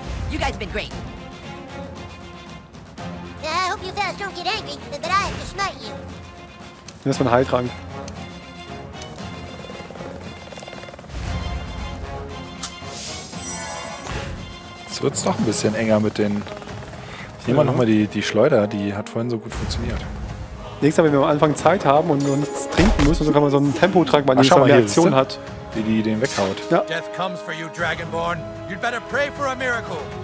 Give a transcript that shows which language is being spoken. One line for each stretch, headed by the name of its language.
English: You guys have been great. Yeah, I hope you fellas don't get angry, but I have to smite you.
German: Hier ist mein Heiltrank. Jetzt wird's doch ein bisschen enger mit den. Ich nehme mal nochmal die Schleuder, die hat vorhin so gut funktioniert. Nächstes Mal, wenn wir am Anfang Zeit haben und uns trinken müssen, dann kann man so einen Tempotrank, weil die Reaktion hat. Die den weghaut. Ja.
English: Death comes for you, Dragonborn. You'd better pray for a miracle.